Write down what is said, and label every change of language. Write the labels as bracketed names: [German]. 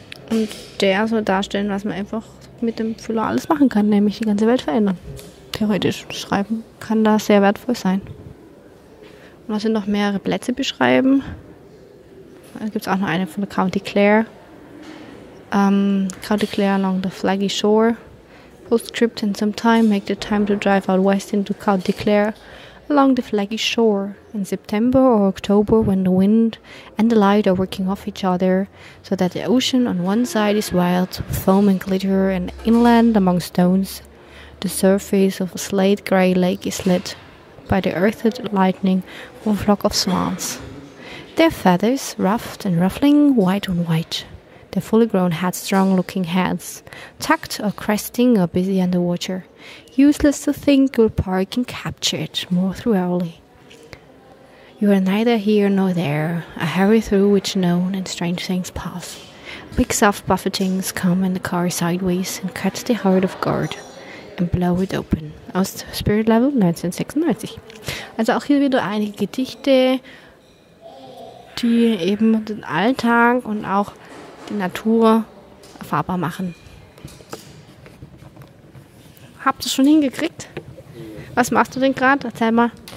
[German] Und der soll darstellen, was man einfach mit dem Füller alles machen kann, nämlich die ganze Welt verändern. Theoretisch schreiben kann da sehr wertvoll sein. Und da sind noch mehrere Plätze beschrieben. Da gibt es auch noch eine von County Clare. [English] County Clare along the flaggy shore. Postscript in some time, make the time to drive out west into County Clare along the flaggy shore. In September or October, when the wind and the light are working off each other, so that the ocean on one side is wild, foam and glitter, and inland among stones, the surface of a slate gray lake is lit by the earthed lightning of a flock of swans. Their feathers, ruffed and ruffling, white on white. Their fully grown headstrong-looking heads, tucked or cresting or busy under water. Useless to think your power can capture it more thoroughly. You are neither here nor there, a hurry through which known and strange things pass. Big soft buffetings come in the car sideways and cut the heart of God and blow it open. [German] Aus Spirit Level 1996. Also auch hier wieder einige Gedichte, die eben den Alltag und auch die Natur erfahrbar machen. Habt ihr es schon hingekriegt? Was machst du denn gerade? Erzähl mal.